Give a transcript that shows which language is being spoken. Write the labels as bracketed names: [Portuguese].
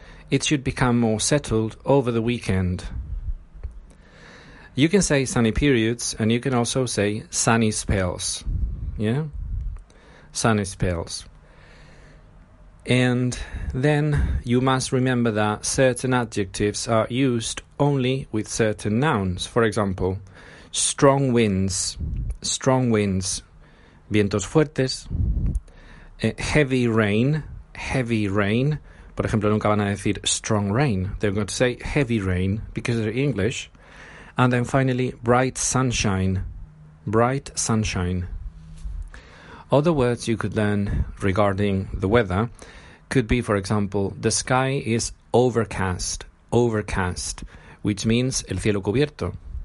[English] It should become more settled over the weekend. You can say sunny periods, and you can also say sunny spells, yeah? Sunny spells. And then you must remember that certain adjectives are used only with certain nouns. For example, strong winds, [Spanish] vientos fuertes, [English] heavy rain, [Spanish] por ejemplo, nunca van a decir [English] strong rain. They're going to say heavy rain because they're English. And then finally, bright sunshine. Other words you could learn regarding the weather could be, for example, the sky is overcast, which means [Spanish] el cielo cubierto.